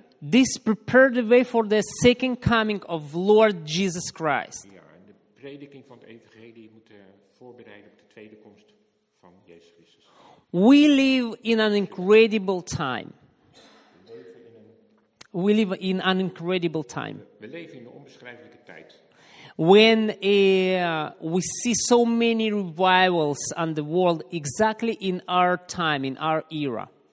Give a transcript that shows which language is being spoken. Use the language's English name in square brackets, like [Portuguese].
[English] This prepared the way for the second coming of Lord Jesus Christ. [Dutch] Ja, en de prediking van het evangelie moet voorbereiden op de tweede komst van Jezus Christus. [English] We live in an incredible time. We live in an incredible time. [Dutch] We leven in een onbeschrijfelijke tijd. [English] When we see so many revivals on the world, exactly in our time, in our era.